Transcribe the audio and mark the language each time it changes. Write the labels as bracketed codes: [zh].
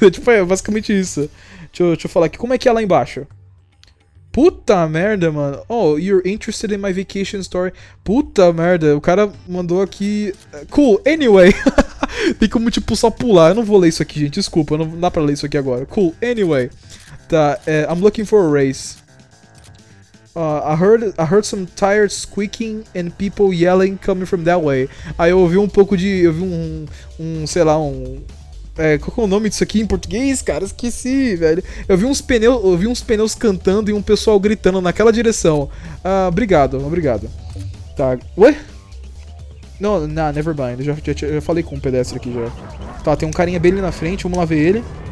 [pt] Tipo, é basicamente isso. Deixa eu falar aqui, como é que é lá embaixo? Puta merda, mano. [en] Oh, you're interested in my vacation story. [pt] Puta merda, o cara mandou aqui... [en] Cool, anyway. [pt] Tem como, tipo, só pular. Eu não vou ler isso aqui, gente. Desculpa, não dá pra ler isso aqui agora. [en] Cool, anyway. Tá, I'm looking for a race. I heard some tires squeaking and people yelling coming from that way. [pt] Aí eu ouvi um pouco de... Eu vi um... qual que é o nome disso aqui em português, cara? Esqueci, velho. Eu vi uns pneus cantando e um pessoal gritando naquela direção. Obrigado. Tá. Ué? Não, [en] never mind. [pt] Eu já falei com um pedestre aqui já. Tá, tem um carinha bem ali na frente, vamos lá ver ele.